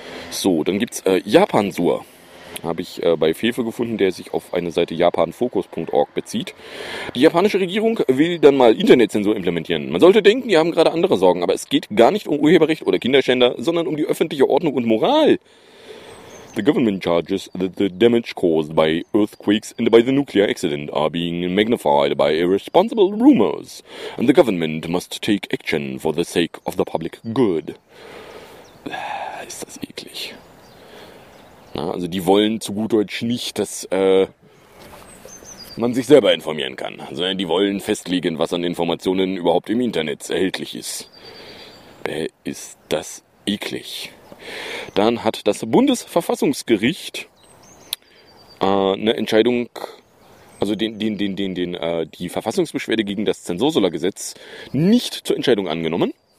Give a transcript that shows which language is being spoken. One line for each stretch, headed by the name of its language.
German: So, dann gibt's Japan-Sur. Habe ich bei Fefe gefunden, der sich auf eine Seite japanfokus.org bezieht. Die japanische Regierung will dann mal Internetzensur implementieren. Man sollte denken, die haben gerade andere Sorgen, aber es geht gar nicht um Urheberrecht oder Kinderschänder, sondern um die öffentliche Ordnung und Moral.
English: The government charges that the damage caused by earthquakes and by the nuclear accident are being magnified by irresponsible rumors. And the government must take action for the sake of the public good.
German: Ist das eklig. Na, also die wollen zu gut Deutsch nicht, dass man sich selber informieren kann, sondern die wollen festlegen, was an Informationen überhaupt im Internet erhältlich ist. Ist das eklig. Dann hat das Bundesverfassungsgericht eine Entscheidung, also die Verfassungsbeschwerde gegen das Zensursolar-Gesetz nicht zur Entscheidung angenommen.